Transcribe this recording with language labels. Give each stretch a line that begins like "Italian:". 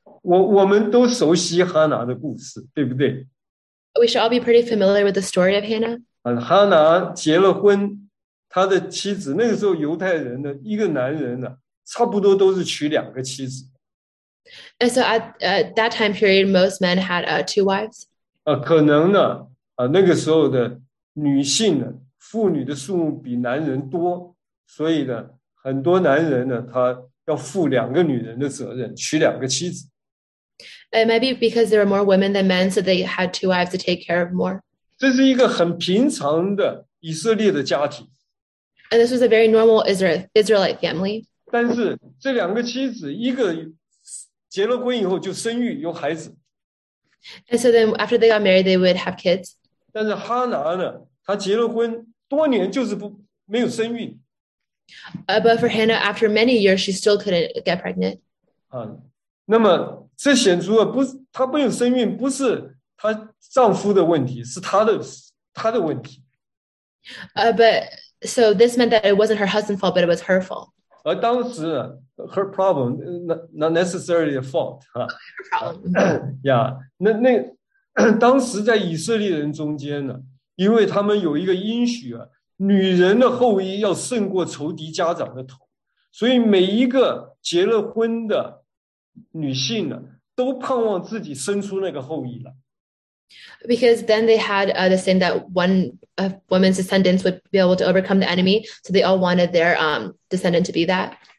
Chinese: 我们都熟悉哈拿的故事，对不对
English: ？We should all be pretty familiar with the story of Hannah.
Chinese: 哈拿结了婚，他的妻子那个时候犹太人的一个男人呢，差不多都是娶两个妻子。
English: And so at that time period, most men had two wives.
Chinese: 可能呢，那个时候的女性呢，妇女的数目比男人多，所以呢，很多男人呢，他要负两个女人的责任，娶两个妻子。
English: It might be because there were more women than men, so they had two wives to take care of more.
Chinese: 这是一个很平常的以色列的家庭。
English: And this was a very normal Israelite family.
Chinese: 但是这两个妻子，一个结了婚以后就生育有孩子。
English: And so then after they got married, they would have kids.
Chinese: 但是哈拿呢，她结了婚多年就是没有生育。
English: But for Hannah, after many years, she still couldn't get pregnant.
Chinese: 那么这显出了不是她没有生育，不是她丈夫的问题，是她的问题。
English: But so this meant that it wasn't her husband's fault, but it was her fault.
Chinese: 而当时
English: her problem not necessarily a fault. Her problem. Yeah,
Chinese: 那当时在以色列人中间呢，因为他们有一个应许啊，女人的后裔要胜过仇敌家长的头，所以每一个结了婚的女性呢，都盼望自己生出那个后裔了。
English: Because then they had the saying that one woman's descendants would be able to overcome the enemy, so they all wanted their descendant to be that.